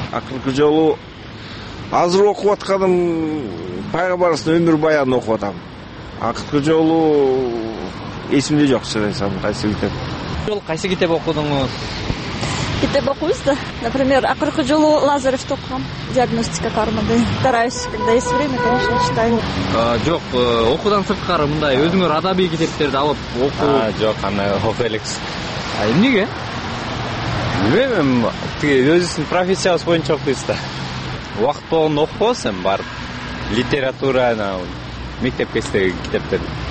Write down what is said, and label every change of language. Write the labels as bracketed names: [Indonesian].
[Kyrgyz] Акыркы жолу азыр окуп атканым Пайгамбарыбыздын өмүр баянын окуп атам. Акыркы жолу эсимде жок, чын айтсам кайсы китеп. Жол кайсы китеп окудуңуз? китеп окуйбуз да. Например, акыркы жолу Лазаревди окугам. Диагностика кармады. [Russian] Стараюсь, когда есть время, конечно, читаю. [Kyrgyz] Жок, окуудан сырткары мындай өзүңөр адабий китептерди алып окуу. Жок, аны окуп элекс. А эмнеге? Билбейм, тиги өзүбүздүн профессиябыз боюнча окуйбуз да. Убакыт болгондо окубоз эми барып. Литература, анау мектепке иштеген китептерди.